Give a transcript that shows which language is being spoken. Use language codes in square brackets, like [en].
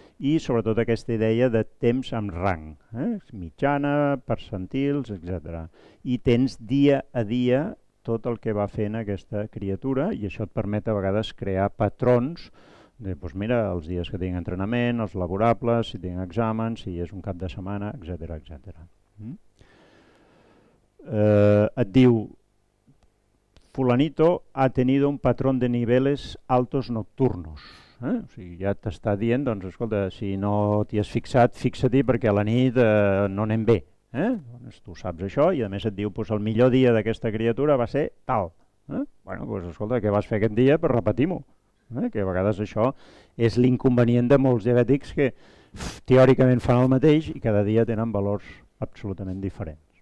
[ca] I sobretot aquesta idea de temps amb rang, mitjana, percentils, etc. I tens dia a dia tot el que va fent aquesta criatura i això et permet a vegades crear patrons de, doncs mira, els dies que tinc entrenament, els laborables, si tinc exàmens, si és un cap de setmana, etc. etc. Et diu [es] fulanito ha tenido un patrón de niveles altos nocturnos. [ca] O sigui, ja t'està dient, doncs escolta, si no t'hi has fixat, fixa-t'hi perquè a la nit no anem bé. Doncs tu saps això i a més et diu doncs, el millor dia d'aquesta criatura va ser tal. Bueno, doncs escolta, què vas fer aquest dia? Pues repetim-ho. Que a vegades això és l'inconvenient de molts diabètics que teòricament fan el mateix i cada dia tenen valors absolutament diferents.